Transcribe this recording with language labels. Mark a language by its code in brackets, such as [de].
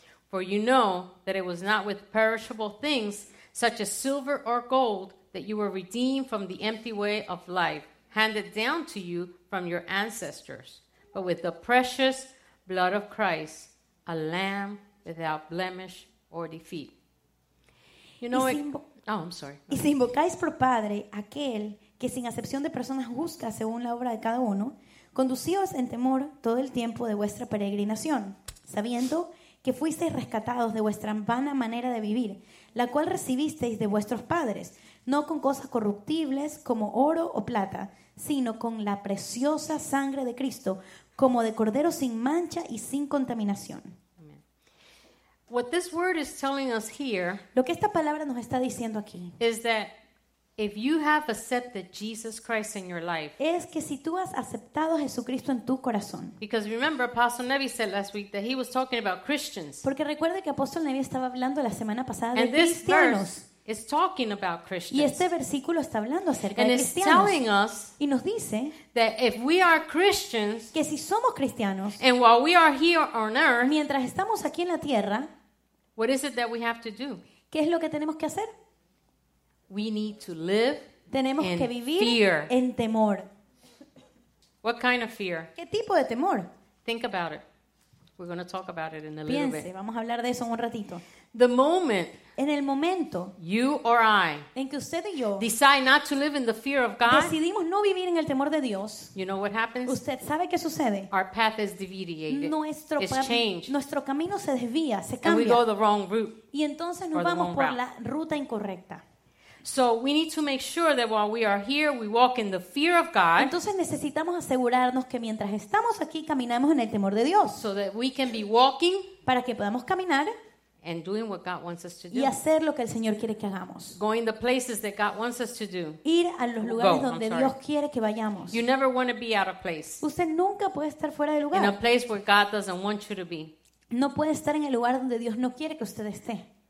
[en] For you know that it was not with perishable things, such as silver or gold, that you were redeemed from the empty way of life, handed down to you from your ancestors, but with the precious blood of Christ, a lamb without blemish or defeat. You know it. Oh, I'm sorry. [es] Y si invocáis por padre aquel que sin acepción de personas juzga según la obra de cada uno, conducíos en temor todo el tiempo de vuestra peregrinación, sabiendo que fuisteis rescatados de vuestra vana manera de vivir, la cual recibisteis de vuestros padres, no con cosas corruptibles como oro o plata, sino con la preciosa sangre de Cristo, como de cordero sin mancha y sin contaminación. [en] What this word is telling us here, [es] lo que esta palabra nos está diciendo aquí, [en] is that if you have accepted Jesus Christ in your life, [es] es que si tú has aceptado a Jesucristo en tu corazón. [en] Because remember, Apostle Nevi said last week that he was talking about Christians. [es] Porque recuerde que Apóstol Nevi estaba hablando la semana pasada [en] and [es] de cristianos. [en] And this verse is talking about Christians. [es] Y este versículo está hablando acerca [en] and [es] de cristianos. [en] And it's telling us, [es] y nos dice, [en] that if we are Christians, [es] que si somos cristianos, [en] and while we are here on earth, [es] mientras estamos aquí en la tierra, [en] what is it that we have to do? [es] ¿Qué es lo que tenemos que hacer? [en] We need to live [es] tenemos [en] in [es] que vivir [en] fear. [es] En temor. [en] What kind of fear? [es] ¿Qué tipo de temor? [en] Think about it. We're going to talk about it in a [es] piense, [en] little bit. [es] Piense, vamos a hablar de eso en un ratito. [en] The moment [es] en el momento [en] you or I [es] en que usted y yo [en] decide not to live in the fear of God, [es] decidimos no vivir en el temor de Dios, [en] you know what happens? [es] Usted sabe qué sucede. [en] Our path is deviated. [es] Nuestro [en] it's changed. [es] Nuestro camino se desvía, se cambia. [en] And we go the wrong route. [es] Y entonces nos vamos por la ruta incorrecta. [en] So we need to make sure that while we are here, we walk in the fear of God. [es] Entonces necesitamos asegurarnos que mientras estamos aquí caminamos en el temor de Dios. [en] So that we can be walking. [es] Para que podamos caminar. [en] And doing what God wants us to do. [es] Y hacer lo que el Señor quiere que hagamos. [en] Going the places that God wants us to do. [es] Ir a los lugares donde Dios quiere que vayamos. [en] You never want to be out of place. [es] Usted nunca puede estar fuera de lugar. [en] In a place where God doesn't want you to be. [es] No puede estar en el lugar donde Dios no quiere que usted esté.